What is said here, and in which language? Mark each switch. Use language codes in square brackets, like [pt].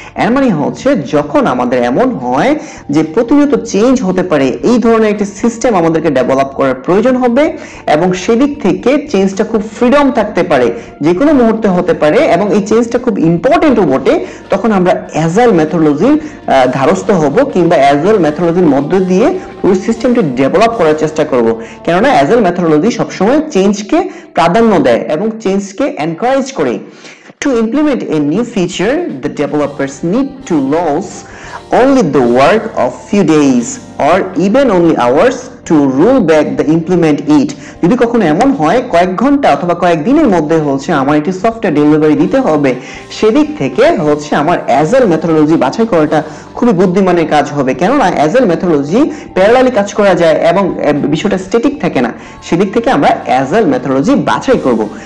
[bn] এর মানে হচ্ছে যখন আমাদের এমন হয় যে প্রতিনিয়ত চেঞ্জ হতে পারে এই ধরনের একটি সিস্টেম আমাদেরকে ডেভেলপ করার প্রয়োজন হবে এবং সেদিক থেকে চেঞ্জটা খুব ফ্রিডম থাকতে পারে যে কোনো মুহূর্তে হতে পারে এবং এই চেঞ্জটা খুব ইম্পর্টেন্টও বটে, তখন আমরা অ্যাজাইল মেথোডোলজির ধারস্থ হব কিংবা অ্যাজাইল মেথোডোলজির মধ্য দিয়ে পুরো সিস্টেমটি ডেভেলপ করার চেষ্টা করব। কেননা অ্যাজাইল মেথোডোলজি সবসময় চেঞ্জকে প্রাধান্য দেয় এবং চেঞ্জকে এনকারেজ করে। [en] To implement a new feature, the developers need to lose only the work of few days or even only hours to roll back the implement it. [bn] যদি কখনো এমন হয় কয়েক ঘন্টা অথবা কয়েক দিনের মধ্যে হচ্ছে আমার একটি সফটওয়্যার ডেলিভারি দিতে হবে, সেদিক থেকে হচ্ছে আমার অ্যাজাইল মেথোডোলজি বাছাই করাটা খুবই বুদ্ধিমানের কাজ হবে। কেননা অ্যাজাইল মেথোডোলজি প্যারালালি কাজ করা যায় এবং বিষয়টা স্ট্যাটিক থাকে না, সেদিক থেকে আমরা অ্যাজাইল মেথোডোলজি বাছাই করব।